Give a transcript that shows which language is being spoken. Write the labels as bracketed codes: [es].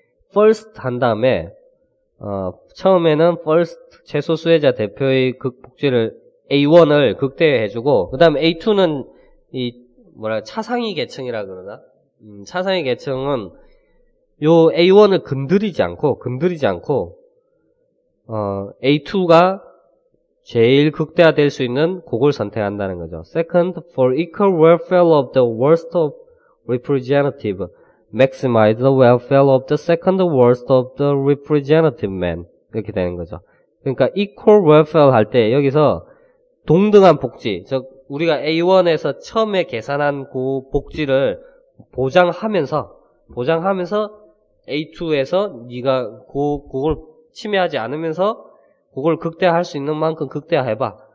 [ko] first 한 다음에 처음에는 first 최소수혜자 대표의 극복지를 A1을 극대화해주고, 그 다음 A2는 이 뭐라 차상위 계층이라 그러나, 차상위 계층은 요 A1을 건드리지 않고 A2가 제일 극대화될 수 있는 그걸 선택한다는 거죠. [en] Second, for equal welfare of the worst of representative, maximize the welfare of the second worst of the representative man. [ko] 이렇게 되는 거죠. 그러니까 equal welfare 할 때 여기서 동등한 복지, 즉 우리가 A1에서 처음에 계산한 그 복지를 보장하면서 A2에서 네가 그걸 침해하지 않으면서 그걸 극대화할 수 있는 만큼 극대화해봐.